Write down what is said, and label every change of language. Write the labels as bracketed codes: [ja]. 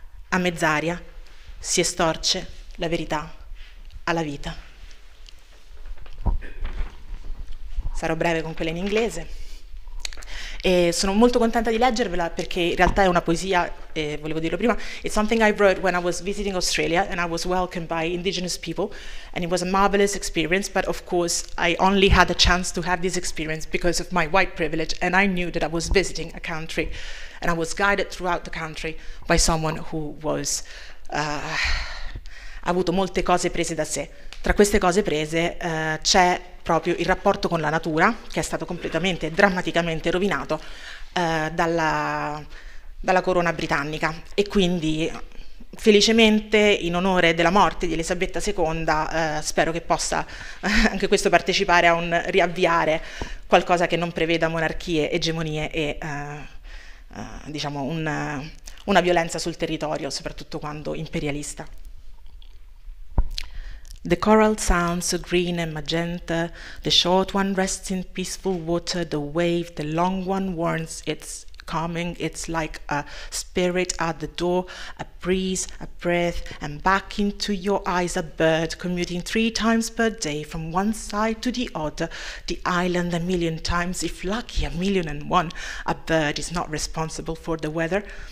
[it] A mezz'aria si estorce la verità alla vita. Sarò breve con quella in inglese. E sono molto contenta di leggervela perché in realtà è una poesia, volevo dirlo prima. [en] It's something I wrote when I was visiting Australia and I was welcomed by Indigenous people and it was a marvelous experience, but of course I only had a chance to have this experience because of my white privilege and I knew that I was visiting a country and I was guided throughout the country by someone who was [it] ha avuto molte cose prese da sé. Tra queste cose prese c'è proprio il rapporto con la natura, che è stato completamente e drammaticamente rovinato dalla corona britannica. E quindi, felicemente, in onore della morte di Elisabetta II, spero che possa anche questo partecipare a un riavviare qualcosa che non preveda monarchie, egemonie e diciamo una violenza sul territorio, soprattutto quando imperialista. [en] The coral sounds so green and magenta, the short one rests in peaceful water, the wave, the long one warns it's coming, it's like a spirit at the door, a breeze, a breath, and back into your eyes a bird commuting 3 times per day from one side to the other, the island a million times, if lucky a million and one, a bird is not responsible for the weather.